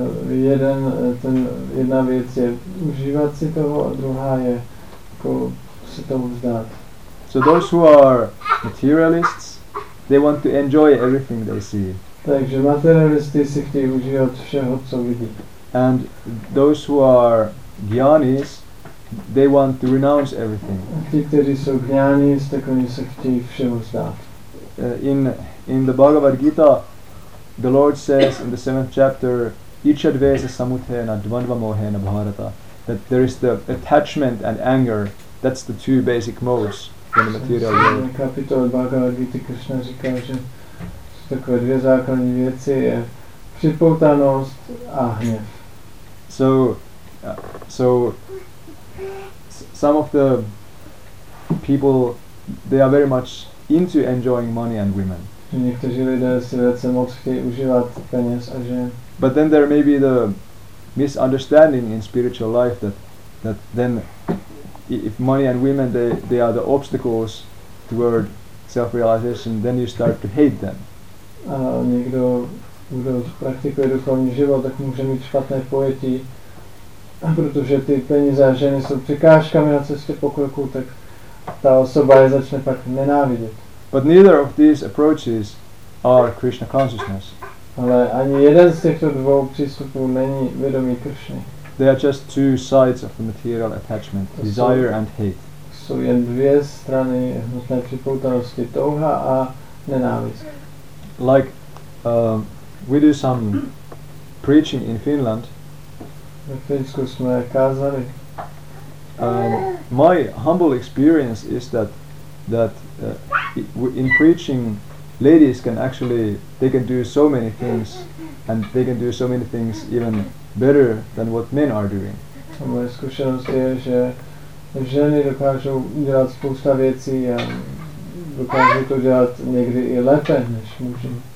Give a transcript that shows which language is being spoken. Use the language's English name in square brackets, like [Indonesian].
[Czech] Jedna věc je užívat si toho, a druhá je jako se toho vzdát. [English] So those who are materialists, they want to enjoy everything they see. [Czech] Takže materialisti si chtějí užívat všeho, co vidí. [English] And those who are gyanis, they want to renounce everything. [Czech] A ti, kteří jsou gyanis, tak oni se chtějí všeho vzdát. [English] In the Bhagavad Gita, the Lord says in the 7th chapter, [Sanskrit] Ichadvesa samuthena dvandva mohena bharata, [English] that there is the attachment and anger, that's the two basic modes in the material world. In the [Czech] kapitol Bhagavad Gita, Krishna říká, že takové dvě základní věci je připoutanost a hněv. [English] So some of the people, they are very much into enjoying money and women. [Czech] Někteří lidé si velice moc chtějí užívat peněz a žen. [English] But then there may be the misunderstanding in spiritual life that then if money and women they are the obstacles toward self-realization, then you start to hate them. [Czech] A někdo, kdo praktikuje duchovní život, tak může mít špatné pojetí, protože ty peníze a ženy jsou překážkami na cestě pokroku, tak ta osoba je začne pak nenávidět. [English] But neither of these approaches are Krishna consciousness. [Czech] Ale ani jeden z těchto dvou přístupů není vědomí Krishny. [English] They are just two sides of the material attachment, desire and hate. [Czech] Jsou jen dvě strany hmotné připoutanosti, touha a nenávist. [English] Like, we do some preaching in Finland. [Czech] Ve Finsku jsme kázali. [English] My humble experience is that in preaching, ladies can actually, they can do so many things, and they can do so many things even better than what men are doing. [Czech] Moje zkušenost je, že ženy dokážou dělat spousta věcí a dokážou to dělat někdy i lépe než muži.